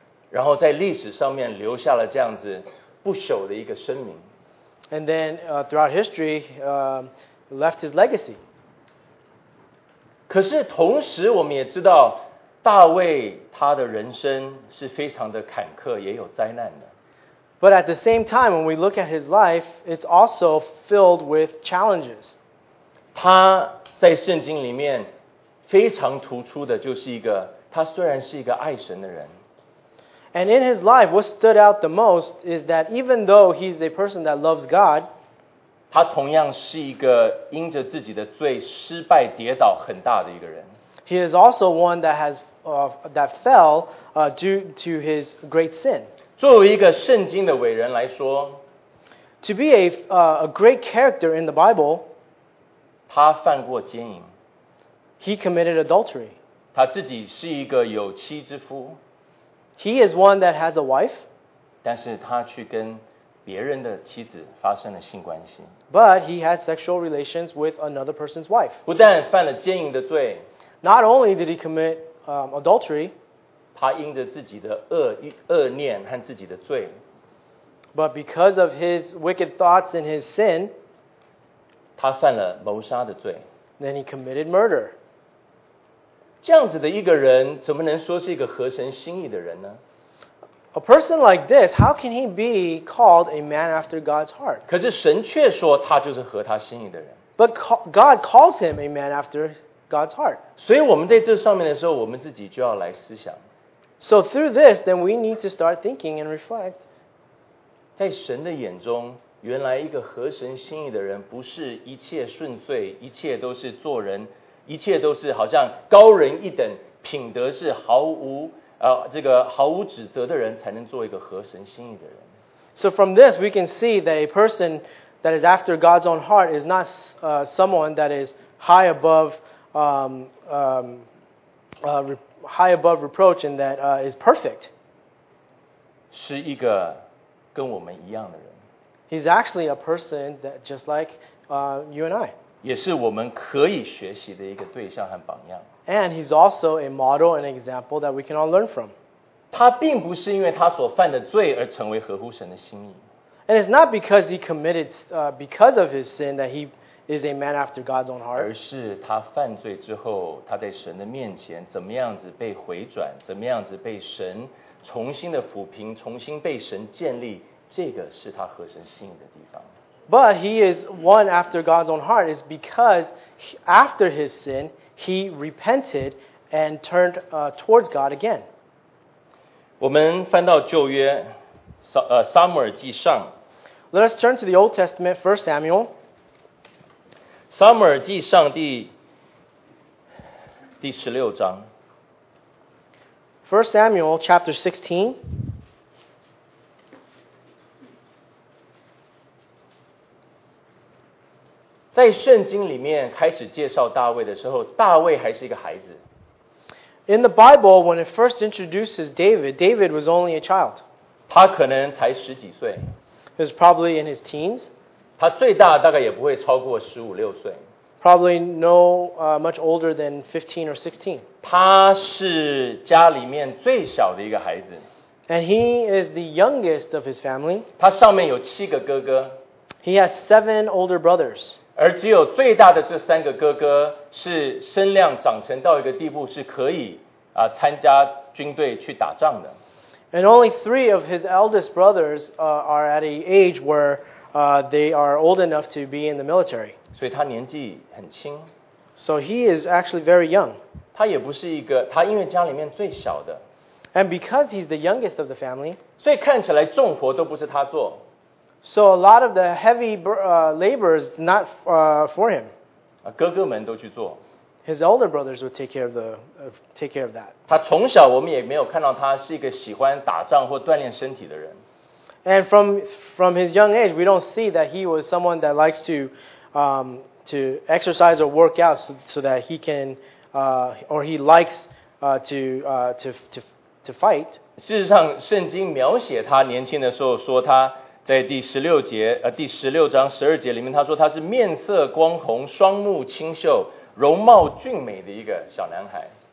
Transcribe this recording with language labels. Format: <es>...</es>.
<zh>然后在历史上面留下了这样子不朽的一个声名。</zh> <en>And then throughout history, left his legacy.</en> <zh>可是同时我们也知道大卫他的人生是非常的坎坷，也有灾难的。</zh> <en>But at the same time, when we look at his life, it's also filled with challenges.</en> <zh>他在圣经里面非常突出的就是一个，他虽然是一个爱神的人。</zh> <en>And in his life, what stood out the most is that even though he's a person that loves God,</en> <zh>他同样是一个因着自己的罪失败跌倒很大的一个人。</zh> <en>He is also one that has that fell due to his great sin.</en> <zh>作为一个圣经的伟人来说，</zh> <en>to be a great character in the Bible,</en> <zh>他犯过奸淫。</zh> <en>He committed adultery.</en> <zh>他自己是一个有妻之夫。</zh> <en>He is one that has a wife.</en> <zh>但是他去跟别人的妻子发生了性关系。</zh> <en>But he had sexual relations with another person's wife.</en> <zh>不但犯了奸淫的罪。</zh> <en>Not only did he commit adultery.</en> <zh>他因着自己的恶念和自己的罪。</zh> <en>But because of his wicked thoughts and his sin.</en> <zh>他犯了谋杀的罪。</zh> <en>Then he committed murder.</en> <zh>这样子的一个人怎么能说是一个合神心意的人呢？</zh> <en>A person like this, how can he be called a man after God's heart?</en> <zh>可是神却说他就是合他心意的人。</zh> <en>But God calls him a man after God's heart.</en> <zh>所以我们在这上面的时候，我们自己就要来思想。</zh> <en>So through this, then we need to start thinking and reflect.</en> <zh>在神的眼中，原来一个合神心意的人不是一切顺遂，一切都是做人，一切都是好像高人一等，品德是毫无这个毫无指责的人才能做一个合神心意的人。</zh> <en>So from this we can see that a person that is after God's own heart is not someone that is high above high above reproach and that is perfect.</en> <zh>是一个跟我们一样的人。</zh> <en>He's actually a person that just like you and I.</en> <zh>也是我们可以学习的一个对象和榜样。</zh> <en>And he's also a model and example that we can all learn from.</en> <zh>他并不是因为他所犯的罪而成为合乎神的心意。</zh> <en>And it's not because he committed because of his sin that he is a man after God's own heart.</en> <zh>而是他犯罪之后，他在神的面前怎么样子被回转，怎么样子被神重新的抚平，重新被神建立，这个是他合神心意的地方。</zh> <en>But he is one after God's own heart is because after his sin. He repented and turned towards God again.</en> <zh>我们翻到旧约，撒母耳记上。</zh> <en>Let us turn to the Old Testament, 1 Samuel.</en> <zh>撒母耳记上第十六章。</zh> <en>1 Samuel chapter 16.</en> <zh>在圣经里面开始介绍大卫的时候，大卫还是一个孩子。</zh> <en>In the Bible, when it first introduces David, David was only a child.</en> <zh>他可能才十几岁。</zh> <en>He was probably in his teens.</en> <zh>他最大大概也不会超过十五六岁。</zh> <en>Probably no much older than 15 or 16.</en> <zh>他是家里面最小的一个孩子。</zh> <en>And he is the youngest of his family.</en> <zh>他上面有七个哥哥。</zh> <en>He has seven older brothers.</en> <zh>而只有最大的这三个哥哥是身量长成到一个地步是可以参加军队去打仗的。</zh> <en>And only three of his eldest brothers are at an age where they are old enough to be in the military.</en> <zh>所以他年纪很轻。</zh> <en>So he is actually very young.</en> <zh>他也不是一个，他因为家里面最小的。</zh> <en>And because he's the youngest of the family.</en> <zh>所以看起来重活都不是他做。</zh> <en>So a lot of the heavy labor is not for him.</en> <zh>哥哥们都去做。</zh> <en>His older brothers would take care of that.</en> <zh>他从小我们也没有看到他是一个喜欢打仗或锻炼身体的人。</zh> <en>And from his young age, we don't see that he was someone that likes to exercise or work out so that he can or he likes to fight.</en> <zh>事实上，圣经描写他年轻的时候说他。在第十六节，第十六章十二节里面，他说他是面色光红，双目清秀，容貌俊美的一个小男孩。</zh>